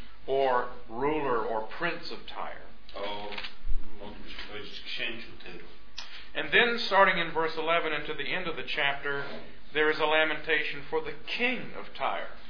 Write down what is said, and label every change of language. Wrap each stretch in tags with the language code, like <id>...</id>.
<en>Or ruler or prince of Tyre.</en> <pl>O, moglibyśmy powiedzieć, księciu Tyru.</pl> <en>And then starting in verse 11 and to the end of the chapter, there is a lamentation for the king of Tyre.</en>